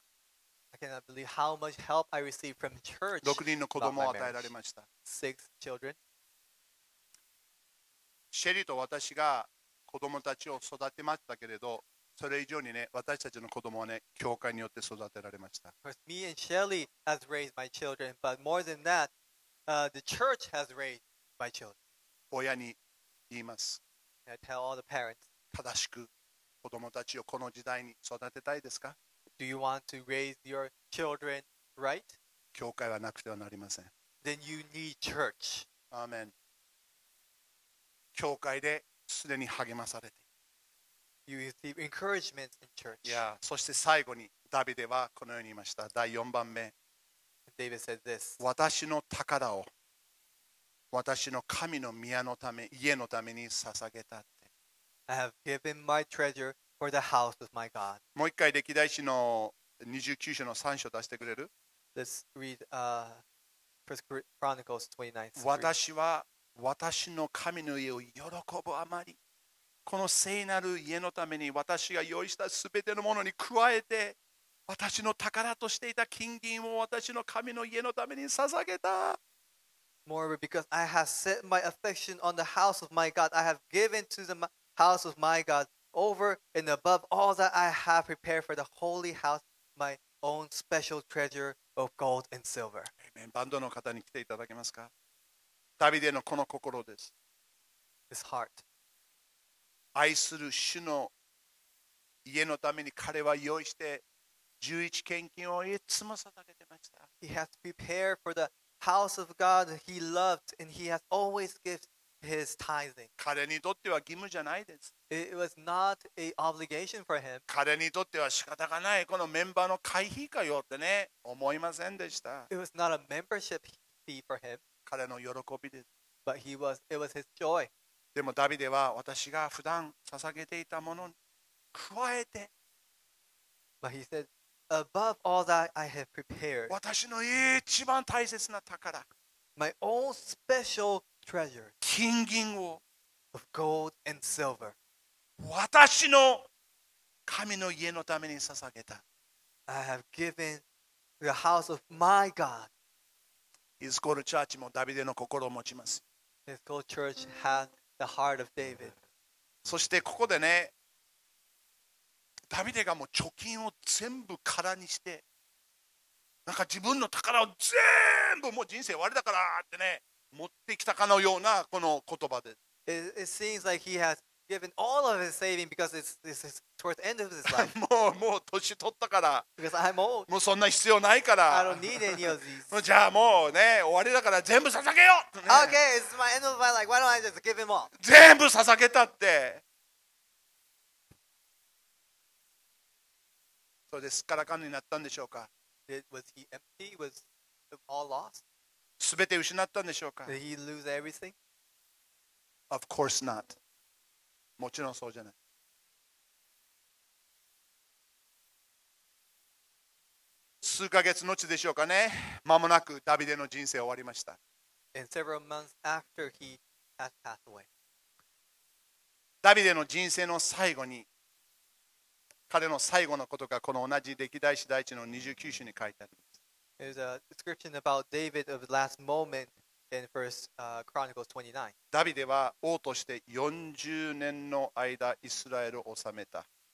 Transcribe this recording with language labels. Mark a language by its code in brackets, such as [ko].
[ja] か。 [en] I cannot believe how much help I received from church. [ja] 6人の子供を与えられました。 [en] Six children. [ja] シェリーと私が子供たちを育てましたけれど、それ以上にね、私たちの子供はね、教会によって育てられました。 [en] Me and Shelly has raised my children, but more than that, the church has raised my children. [ja] 親に言います。 [en] I tell all the parents. [ja] 正しく子供たちをこの時代に育てたいですか？ [en] Do you want to raise your children right? [ja] 教会はなくてはなりません。 [en] Then you need church. Amen. [ja] 教会ですでに励まされて。 [en] You receive encouragement in church. Yeah. [ja] そして最後にダビデはこのように言いました。第4番目。 [en] David said this. [ja] 私の宝を私の神の宮のため、家のために捧げたって。 [en] I have given my treasure for the house of my God. [ja] もう一回歴代史の29章の3章出してくれる？ [en] Let's read First Chronicles 29:3. [ja] 私は私の神の家を喜ぶあまり。この聖なる家のために私が用意したすべてのものに加えて私の宝としていた金銀を私の神の家のために捧げた。 [en] Moreover, because I have set my affection on the house of my God, I have given to the house of my God over and above all that I have prepared for the holy house my own special treasure of gold and silver. Amen. [ja] バンドの方に来ていただけますか。ダビデのこの心です。 [en] His heart. [ja] 愛する主の家のために彼は用意して11献金をいつも捧げてました。 [en] He has prepared for the house of God he loved and he has always given his tithing. [ja] 彼にとっては義務じゃないです。 [en] It was not an obligation for him. [ja] 彼にとっては仕方がないこのメンバーの会費かよってね思いませんでした。 [en] It was not a membership fee for him. [ja] 彼の喜びです。 [en] But it was his joy. [ja] でもダビデは私が普段捧げていたものに加えて [en] But he said, above all that I have prepared, [ja] 私の一番大切な宝 [en] my own special treasure, [ja] 金銀を [en] of gold and silver, [ja] 私の神の家のために捧げた [en] I have given the house of my God. [ja] His gold church もダビデの心を持ちます。 [en] His gold church has The heart of David. [ja] そしてここでね、ダビデがもう貯金を全部空にして、なんか自分の宝を全部もう人生終わりだからってね、持ってきたかのようなこの言葉です。 [en] It seems like he has given all of his saving because it's towards the end of his life. [ja] もう年取ったから。 [en] Because I'm old. [ja] もうそんな必要ないから。 [en] I don't need any of these. [ja] じゃあもうね、終わりだから全部捧げよう、ね、 [en] Okay, it's my end of my life. Why don't I just give him all? [ja] 全部捧げたって。それですっからかんになったんでしょうか。 [en] Was he empty? Was all lost? [ja] すべて失ったんでしょうか? [en] Did he lose everything? Of course not. [ja] もちろんそうじゃない。数ヶ月後でしょうかね。まもなくダビデの人生終わりました。 [en] And several months after he has passed away. [ja] ダビデの人生の最後に、彼の最後のことがこの同じ歴代史第一の29章に書いてあります。 [en] There's a description about David of the last moment in 1 Chronicles 29. [ja] ダビデは王として40年の間イスラエルを治めた。